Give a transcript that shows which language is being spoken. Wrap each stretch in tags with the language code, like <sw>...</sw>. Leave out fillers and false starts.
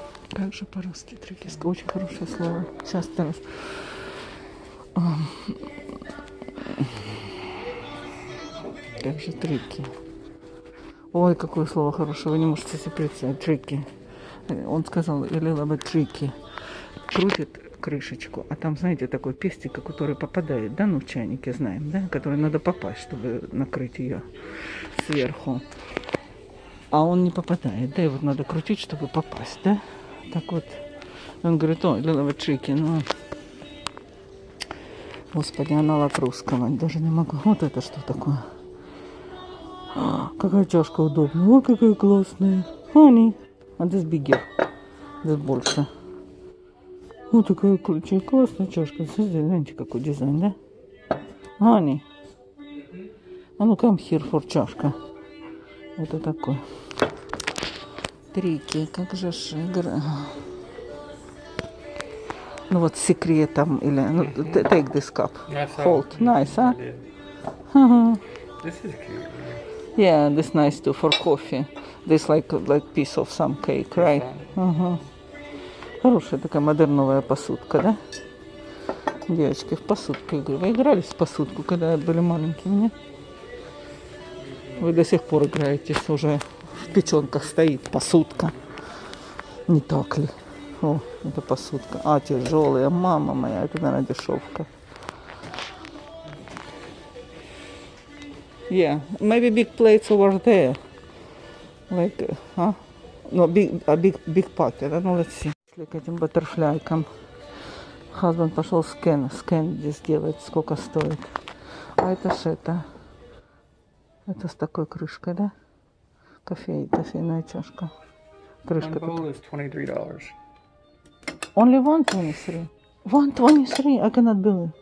<ru>Как же по-русски tricky? Очень хорошее слово. Сейчас ты раз. Как же tricky? Ой, какое слово хорошее, вы не можете себе представить.</ru> <en>Tricky.</en> <ru>Он сказал,</ru> <en>a little bit tricky.</en> <ru>Крутит крышечку, а там, знаете, такой пестик, который попадает, да, ну, в чайнике знаем, да, который надо попасть, чтобы накрыть ее сверху. А он не попадает, да, и вот надо крутить, чтобы попасть, да. Так вот, он говорит, о,</ru> <en>a little bit tricky,</en> <ru>ну, господи, аналог русского, даже не могу. Вот это что такое? Какая чашка удобная. Ой, какая классная. Honey. А здесь bigger. Здесь больше. Вот такая очень классная чашка. Смотрите, какой дизайн, да?</ru> <en>Honey.</en> <ru>А ну,</ru> <en>come here for</en> <ru>чашка. Вот это такой. Крики, как же ж игра. Ну вот с секретом или ну,</ru> <en>take this cup, nice hold, out. Nice, а? This is cute. Yeah, this nice too for coffee. This like piece of some cake, right? Okay. Uh-huh.</en> <ru>Хорошая такая модерновая посудка, да? Девочки в посудку играли. Вы играли в посудку, когда были маленькими, нет? Вы до сих пор играете, уже в печенках стоит посудка. Не так ли? О, это посудка. А, тяжелая. Мама моя, это, наверное, дешевка.</ru> <en>Yeah, maybe big plates over there. Like, no, big pot, yeah, no, let's see.</en> <ru>К этим баттерфляйкам. Хазбан пошел скан здесь делать, сколько стоит. А это ж это? Это с такой крышкой, да? Кофейная чашка. Крышка.</ru> <en>One bowl is $23. Only $123. $123. I cannot believe.</en>